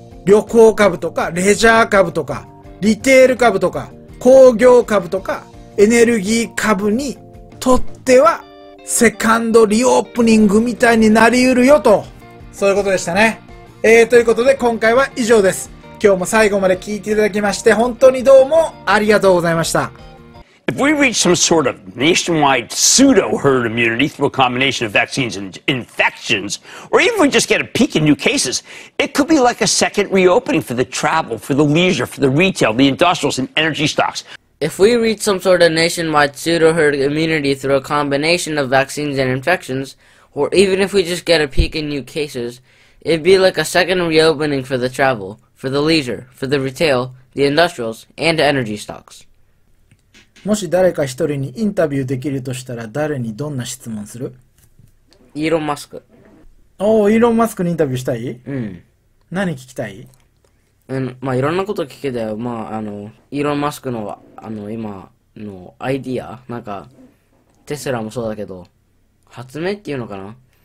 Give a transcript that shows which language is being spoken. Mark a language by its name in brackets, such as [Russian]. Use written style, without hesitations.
[Japanese] 旅行株とかレジャー株とかリテール株とか工業株とかエネルギー株にとってはセカンドリオープニングみたいになりうるよと、そういうことでしたね。ということで今回は以上です。今日も最後まで聞いていただきまして本当にどうもありがとうございました。 [English] If we reach some sort of nationwide pseudo herd immunity through a combination of vaccines and infections, or even if we just get a peak in new cases, it could be like a second reopening for the travel, for the leisure, for the retail, the industrials and energy stocks. If we reach some sort of nationwide pseudo herd immunity through a combination of vaccines and infections, or even if we just get a peak in new cases, it'd be like a second reopening for the travel, for the leisure, for the retail, the industrials and energy stocks. [Japanese] もし誰か一人にインタビューできるとしたら誰にどんな質問する？イーロン・マスク。おお、イーロン・マスクにインタビューしたい？うん。何聞きたい？うん、まあいろんなこと聞けたよ。まあイーロン・マスクの今のアイディア、なんかテスラもそうだけど、発明っていうのかな？